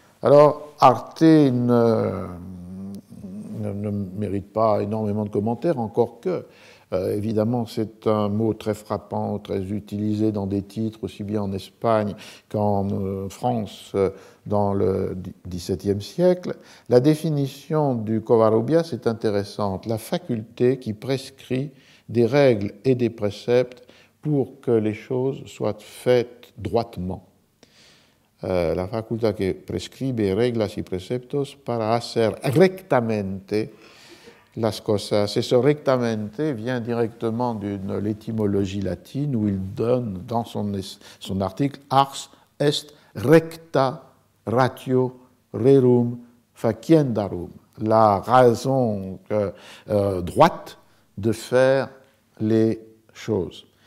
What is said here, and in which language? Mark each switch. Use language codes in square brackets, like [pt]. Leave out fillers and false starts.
[fr] Alors, Arte ne mérite pas énormément de commentaires, encore que, évidemment, c'est un mot très frappant, très utilisé dans des titres, aussi bien en Espagne qu'en France, dans le XVIIe siècle. La définition du Covarrubias est intéressante. La faculté qui prescrit des règles et des préceptes pour que les choses soient faites droitement. [es] La faculté que prescribe reglas y preceptos para hacer rectamente las cosas. [fr] Et ce rectamente vient directement d'une étymologie latine où il donne dans son article [la] ars est recta ratio rerum faciendarum. [fr] La raison droite de faire les choses.